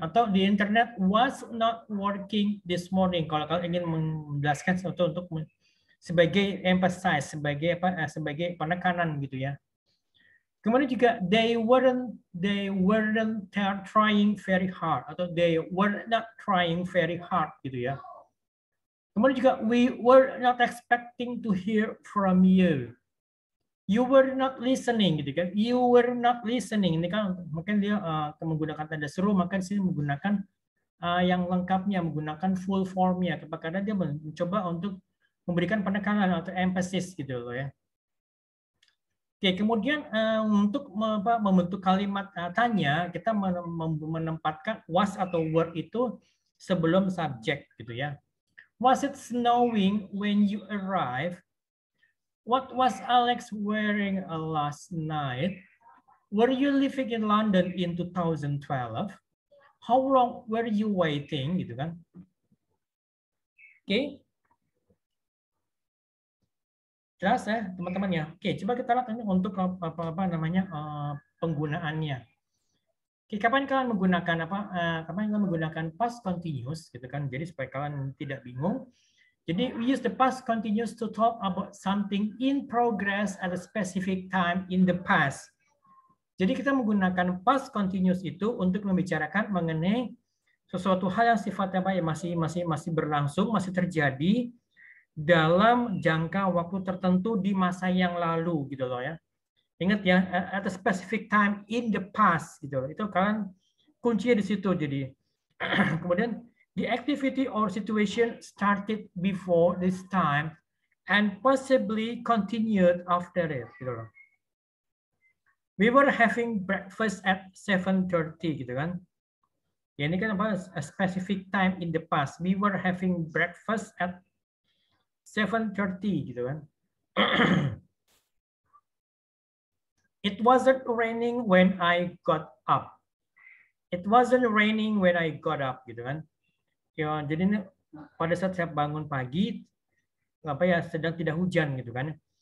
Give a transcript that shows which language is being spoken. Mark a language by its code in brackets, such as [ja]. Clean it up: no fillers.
[id] Atau [en] the internet was not working this morning. [id] Kalau kalian ingin menjelaskan sesuatu untuk sebagai emphasize, sebagai apa? Sebagai penekanan gitu ya. [en] Kemudian juga they weren't trying very hard [id] atau [en] they were not trying very hard [id] gitu ya. Kemudian juga [en] we were not expecting to hear from you. You were not listening [id] gitu kan. [en] You were not listening. [id] Ini kan mungkin dia menggunakan tanda seru, maka di sini menggunakan yang lengkapnya, menggunakan full formnya. Karena dia mencoba untuk memberikan penekanan atau emphasis gitu loh ya. Oke, kemudian untuk membentuk kalimat tanya, kita menempatkan was atau were itu sebelum subjek gitu ya. [en] Was it snowing when you arrived? What was Alex wearing last night? Were you living in London in 2012? How long were you waiting? [id] Gitu kan? Oke. Jelas ya, teman-teman ya. Oke, coba kita lihat ini untuk apa namanya penggunaannya. Oke, kapan kalian menggunakan apa? Kapan kalian menggunakan past continuous gitu kan? Jadi supaya kalian tidak bingung. [en] Jadi we use the past continuous to talk about something in progress at a specific time in the past. [id] Jadi kita menggunakan past continuous itu untuk membicarakan mengenai sesuatu hal yang sifatnya apa ya, masih berlangsung, masih terjadi dalam jangka waktu tertentu di masa yang lalu gitu loh ya. Ingat ya, [en] at a specific time in the past [id] gitu loh. Itu kan kuncinya di situ. Jadi kemudian [en] the activity or situation started before this time and possibly continued after it [id] gitu loh. [en] We were having breakfast at 7:30 [id] gitu kan. Ya ini kan apa, [en] a specific time in the past. We were having breakfast at 7:30 [id] gitu kan. [en] It wasn't raining when I got up. It wasn't raining when I got up [id] gitu kan. Ya, jadi ini pada saat saya bangun pagi apa ya, sedang tidak hujan gitu kan.